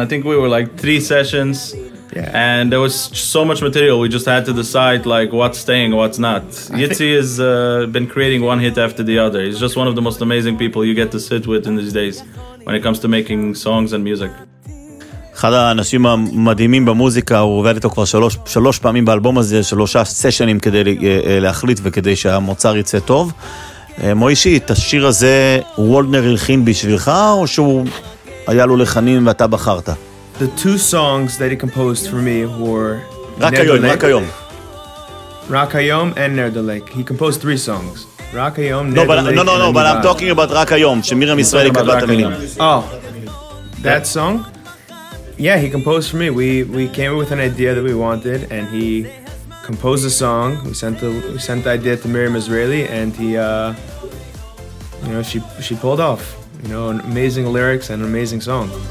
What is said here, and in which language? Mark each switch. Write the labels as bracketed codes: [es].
[en] I think we were like 3 sessions. Yeah. And there was so much material. We just had to decide like what's staying, what's not. Yitzi has been creating one hit after the other. He's just one of the most amazing people you get to sit with in these days when it comes to making songs and music. [he] אחד האנשים המדהימים במוזיקה, הוא עובד איתו כבר שלוש פעמים באלבום הזה, שלושה סשנים כדי להחליט וכדי שהמוצר יצא טוב. מוישי, את השיר הזה וולדנר הלחין בשבילך, או שהוא היה לו לחנים ואתה בחרת? [en] The two songs that he composed for me were [he] רק היום, רק היום. רק היום and נרדלק. [en] He composed 3 songs. רק היום, נרדלק. No, but I'm talking about [he] רק היום, שמירם ישראלי כתבה את המילים. [en] Oh, that song? Yeah, he composed for me. We came up with an idea that we wanted, and he composed a song. We sent the idea to Miriam Israeli, and he, you know, she pulled off. You know, amazing lyrics and an amazing song.